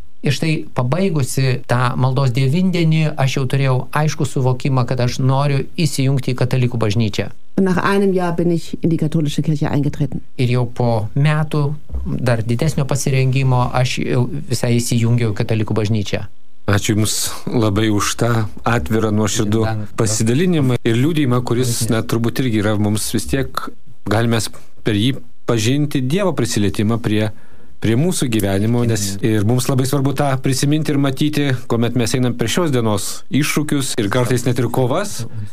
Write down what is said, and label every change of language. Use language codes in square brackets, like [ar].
[lt] Ir štai pabaigusi tą maldos devindienį, aš jau turėjau aišku suvokimą, kad aš noriu įsijungti į katalikų bažnyčią. [de] Und nach einem Jahr bin ich in die katholische Kirche eingetreten. [lt] Ir jau po metų, dar didesnio pasirengimo, aš jau visai įsijungiau į katalikų bažnyčią. Ačiū Jums labai už tą atvirą nuoširdų pasidalinimą ir liūdėjimą, kuris, na, turbūt irgi yra mums vis tiek, galime per jį pažinti Dievo prisilietimą prie mūsų gyvenimo, nes ir mums labai svarbu tą prisiminti ir matyti, kuomet mes einam prie šios dienos iššūkius ir kartais net ir kovas,